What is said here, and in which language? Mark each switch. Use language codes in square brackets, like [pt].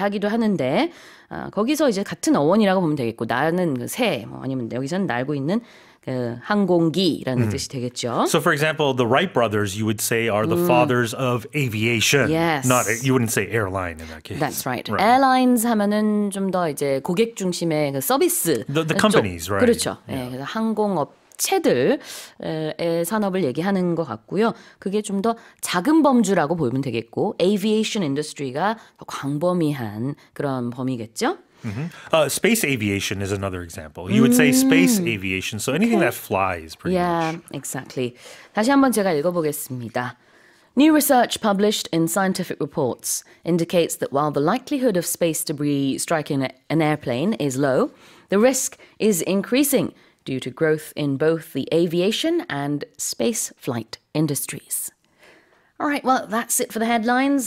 [ko] 얘기하기도 하는데 거기서 이제 같은 어원이라고 보면 되겠고 나는 그 새 뭐 아니면 여기서는 날고 있는 그 항공기라는 뜻이 되겠죠. [en] So for example, the Wright brothers you would say are the fathers of aviation. Yes. Not you wouldn't say airline in that case. That's right. right. [ko] Airlines 하면은 좀 더 이제 고객 중심의 그 서비스 [en] the companies, [ko] 쪽. [en] right? [ko] 그렇죠. [en] Yeah. [ko] 네, 그래서 항공업 업체들의 산업을 얘기하는 것 같고요. 그게 좀 더 작은 범주라고 보면 되겠고, aviation industry가 더 광범위한 그런 범위겠죠. [en] Space aviation is another example. You would say space aviation. So anything okay. that flies, pretty yeah, much. Yeah, exactly. [ko] 다시 한번 제가 읽어보겠습니다. [en] New research published in Scientific Reports indicates that while the likelihood of space debris striking an airplane is low, the risk is increasing. Due to growth in both the aviation and space flight industries. All right, well, that's it for the headlines.